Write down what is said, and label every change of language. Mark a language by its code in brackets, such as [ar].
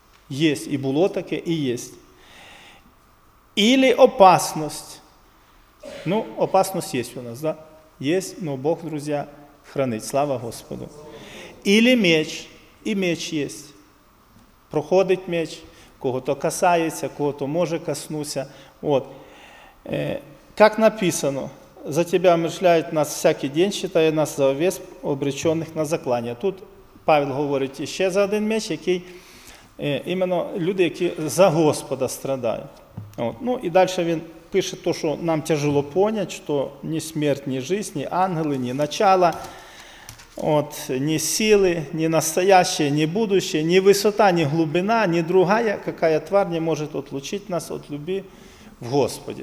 [uk] Є, і було таке, і є. Ілі опасність. Ну, опасність є у нас, так? Да? Є, але Бог, друзі, хранить. Слава Господу. Ілі меч. І меч є. Проходить меч. Кого-то касається, кого-то може коснуться. От. [ru] Как написано, за тебя умершляют нас всякий день, считая нас за овец, обречених на заклання. [uk] Тут Павел говорить ще за один меч, який іменно люди, які за Господа страдають. От. Ну і далі він пише то, що нам тяжело понять, що ні смерть, ні життя, ні ангели, ні начало. От, ні сили, ні настояще, ні будуще, ні висота, ні глибина, ні друга, яка твар не може відлучити нас від любі в Господі.